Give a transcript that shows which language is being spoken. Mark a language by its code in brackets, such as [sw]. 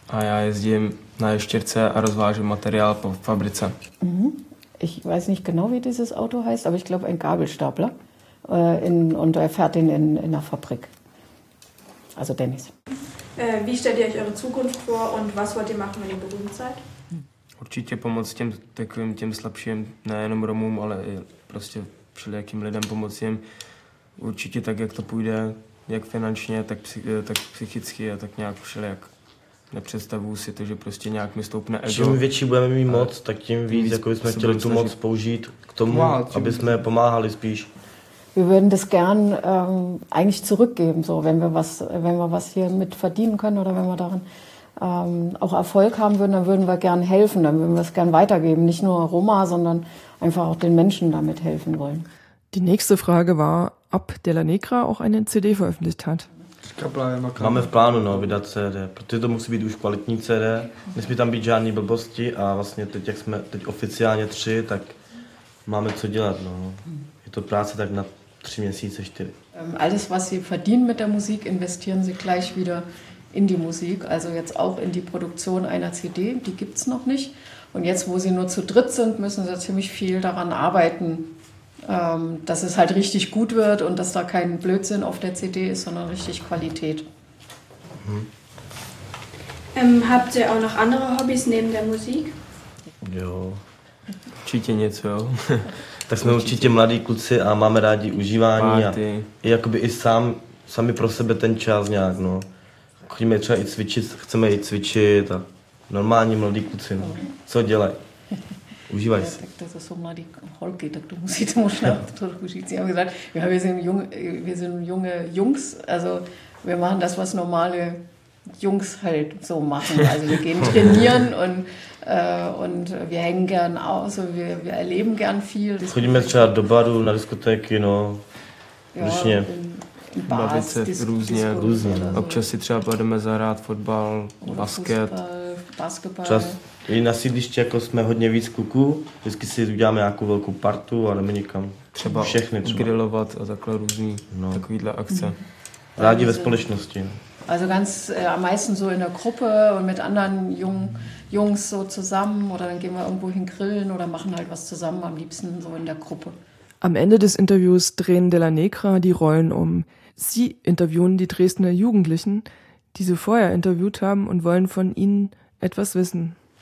[cs] A já jezdím na ještěrce a rozvážím materiál po fabrice. [de] Ich weiß nicht genau, wie dieses Auto heißt, aber ich glaube ein Gabelstapler. Und er fährt ihn in der Fabrik. Also Dennis. Wie stellt ihr euch eure Zukunft vor und was wollt ihr machen, wenn ihr berühmt seid? [cs] Určitě pomoct těm takovým těm slabším, nejenom Romům, ale i prostě všelijakým lidem pomoct jim. Určitě tak, jak to půjde, jak finančně, tak psychicky a tak nějak všelijak. Nepředstavuju si to, že prostě nějak mi stoupne ego. Čím větší budeme mít moc, tak tím víc jako bychom chtěli tu moc použít k tomu, aby jsme pomáhali spíš. [de] Wir würden das gern eigentlich zurückgeben, so wenn wir was hier mit verdienen können oder wenn wir daran auch Erfolg haben würden, dann würden wir gern helfen, dann würden wir es gern weitergeben. Nicht nur Roma, sondern einfach auch den Menschen damit helfen wollen. Die nächste Frage war, ob De La Negra auch eine CD veröffentlicht hat. [cs] Máme v plánu, no, vydat CD, protože to musí být už kvalitní CD, nesmí tam být žádný blbosti a vlastně teď, jak jsme teď oficiálně tři, tak máme co dělat, no. Je to práce tak na 3 měsíce, 4. [de] Alles, was Sie verdienen mit der Musik, investieren Sie gleich wieder in die Musik, also jetzt auch in die Produktion einer CD, die gibt es noch nicht. Und jetzt, wo sie nur zu dritt sind, müssen sie ziemlich viel daran arbeiten, dass es halt richtig gut wird und dass da kein Blödsinn auf der CD ist, sondern richtig Qualität. Mhm. Habt ihr auch noch andere Hobbys neben der Musik? [cs] Jo, určitě něco. Tak jsme určitě mladí kluci a máme rádi užívání. Party. A jakoby i sami pro sebe ten čas nějak, no. Chodíme třeba i cvičit, chceme i cvičit a normální mladí kluci, no. Co dělají? Užívají se. Tak to jsou mladí holky, tak to musíte možná trochu říct. Já bych řekl, [de] wir sind junge Jungs, also wir machen das, was normale Jungs halt so machen. Also wir gehen trainieren und wir hängen gern aus und wir erleben gern viel. [cs] Chodíme třeba do baru, na diskotéky, no. Jo, bavice, různě. Občas si třeba pojedeme zahrát fotbal, basket. Basketball. I na sídlišti jako jsme hodně víc kluků, vždycky si uděláme nějakou velkou partu a jdeme někam. Třeba všechny třeba. Grillovat a takhle různý takovýhle akce. Rádi ve společnosti. [de] Also ganz am meisten so in der Gruppe und mit anderen Jungs so zusammen oder dann gehen wir irgendwo hin grillen oder machen halt was zusammen, am liebsten so in der Gruppe. Am Ende des Interviews drehen De La Negra die Rollen um. Sie interviewen die Dresdner Jugendlichen, die sie vorher interviewt haben und wollen von ihnen etwas wissen.